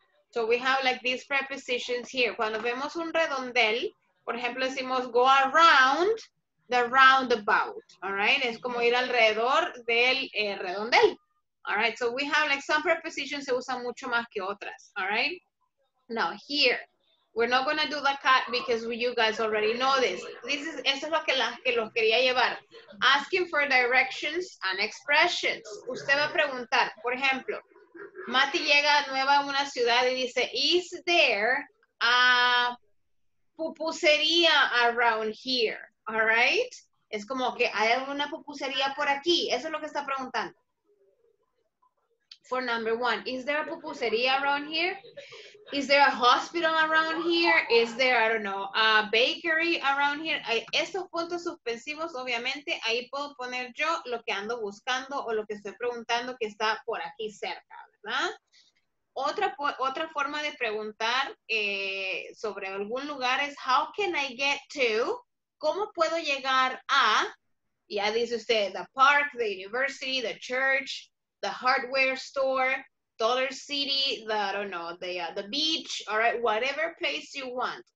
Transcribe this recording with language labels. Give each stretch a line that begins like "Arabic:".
English: So we have like these prepositions here.
Spanish: Cuando vemos un redondel, por ejemplo, decimos
English: go around the roundabout.
Spanish: All right, es como ir alrededor del redondel. All right.
English: So we have like some prepositions
Spanish: se usan mucho más que otras.
English: All right. Now here. We're not going to do the cat because you guys already know this. This is,
Spanish: eso es lo que, que los quería llevar.
English: Asking for directions and expressions.
Spanish: Usted va a preguntar, por ejemplo, Mati llega nueva a una ciudad y dice,
English: is there a pupusería around here?
Spanish: All right? Es como que hay alguna pupusería por aquí. Eso es lo que está preguntando.
English: For number one, is there a pupusería around here? Is there a hospital around here? Is there, I don't know, a bakery around here?
Spanish: Estos puntos suspensivos, obviamente, ahí puedo poner yo lo que ando buscando o lo que estoy preguntando que está por aquí cerca, ¿verdad? Otra forma de preguntar sobre algún lugar es,
English: how can I get to,
Spanish: ¿cómo puedo llegar a, ya dice usted,
English: the park, the university, the church, the hardware store, Dollar City, the, I don't know, the beach, all right, whatever place you want.